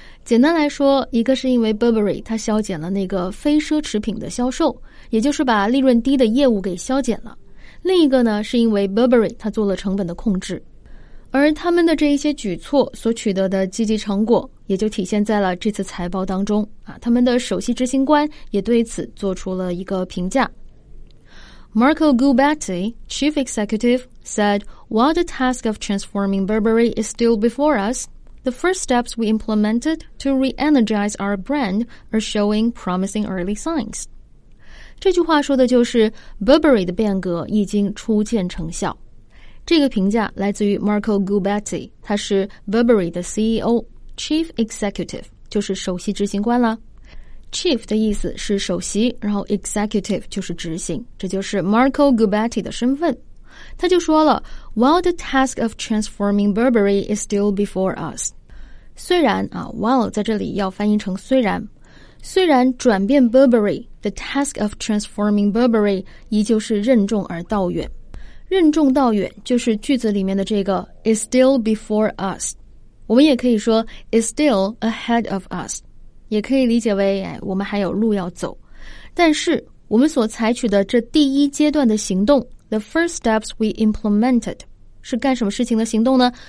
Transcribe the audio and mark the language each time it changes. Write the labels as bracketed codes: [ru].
[zh] 简单来说，一个是因为 Burberry 它削减了那个非奢侈品的销售，也就是把利润低的业务给削减了。另一个呢，是因为 Burberry 它做了成本的控制。而他们的这一些举措所取得的积极成果也就体现在了这次财报当中啊，他们的首席执行官也对此做出了一个评价。 [en] Marco Gubatti, chief executive, said, "While the task of transforming Burberry is still before us, the first steps we implemented to re-energize our brand are showing promising early signs." [zh] 这句话说的就是 Burberry 的变革已经初见成效。这个评价来自于 Marco Gubatti， 他是 Burberry 的 CEO Chief Executive， 就是首席执行官了。 Chief 的意思是首席，然后 Executive 就是执行，这就是 Marco Gubatti 的身份。他就说了， [en] While the task of transforming Burberry is still before us， [zh] 虽然啊 while 在这里要翻译成虽然，虽然转变 Burberry， [en] The task of transforming Burberry [zh] 依旧是任重而道远。任重道远就是句子里面的这个 [en] is still before us， [zh] 我们也可以说 [en] is still ahead of us， [zh] 也可以理解为哎，我们还有路要走。但是我们所采取的这第一阶段的行动 [en] the first steps we implemented [zh] 是干什么事情的行动呢？